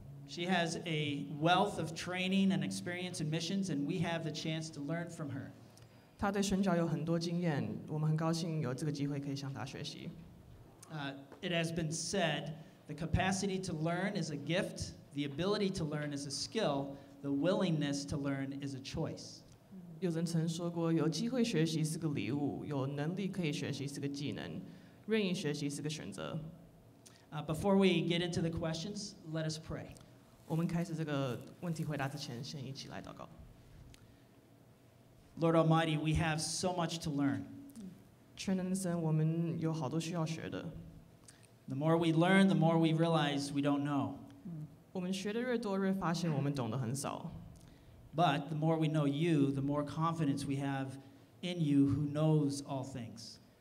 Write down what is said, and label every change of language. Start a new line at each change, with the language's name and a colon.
English: She has a wealth of training and experience in missions, and we have the chance to learn from her.
Chinese: 她对宣教有很多经验，我们很高兴有这个机会可以向她学习。
English: It has been said, the capacity to learn is a gift, the ability to learn is a skill, the willingness to learn is a choice.
Chinese: 有人曾说过，有机会学习是个礼物，有能力可以学习是个技能，愿意学习是个选择。
English: Before we get into the questions, let us pray.
Chinese: 我们开始这个问题回答之前，先一起来祷告。
English: Lord Almighty, we have so much to learn.
Chinese: 全能神，我们有好多需要学的。
English: The more we learn, the more we realize we don't know.
Chinese: 我们学得越多，越发现我们懂得很少。
English: But the more we know you, the more confidence we have in you who knows all things.